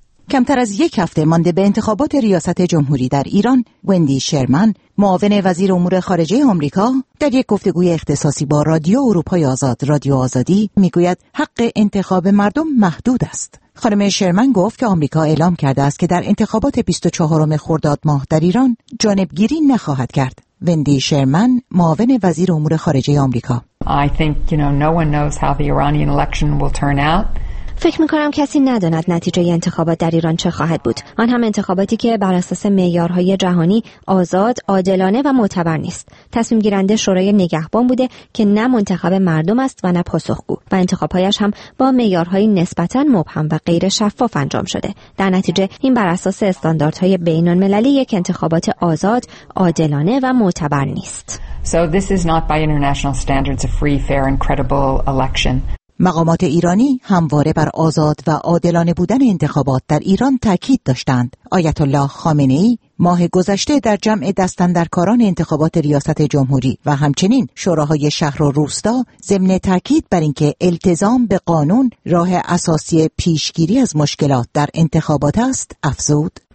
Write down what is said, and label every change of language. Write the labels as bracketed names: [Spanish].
[Persian] کمتر از یک هفته مانده به انتخابات ریاست جمهوری در ایران، وندی شرمن، معاون وزیر امور خارجه آمریکا، در یک گفتگوی اختصاصی با رادیو اروپای آزاد، رادیو آزادی، میگوید حق انتخاب مردم محدود است. خانم شرمن گفت که آمریکا اعلام کرده است که در انتخابات 24 خرداد ماه در ایران جانبگیری نخواهد کرد. وندی شرمن، معاون وزیر امور خارجه آمریکا: [English] I think you know no one knows how the Iranian election will turn out. [Persian] فکر میکنم کسی نداند نتیجه انتخابات در ایران چه خواهد بود. آن هم انتخاباتی که بر اساس معیارهای جهانی آزاد، عادلانه و معتبر نیست. تصمیم گیرنده شورای نگهبان بوده که نه منتخب مردم است و نه پاسخگو. و انتخابهایش هم با معیارهای نسبتاً مبهم و غیر شفاف انجام شده. در نتیجه این بر اساس استانداردهای بین‌المللی یک انتخابات آزاد، عادلانه و معتبر نیست. [English] So this is not by international standards a free, fair and credible election. [Persian] مقامات ایرانی همواره بر آزاد و عادلانه بودن انتخابات در ایران تاکید داشتند. آیت الله خامنه ای ماه گذشته در جمع دستاندرکاران انتخابات ریاست جمهوری و همچنین شوراهای شهر و روستا ضمن تاکید بر اینکه التزام به قانون راه اساسی پیشگیری از مشکلات در انتخابات است افزود: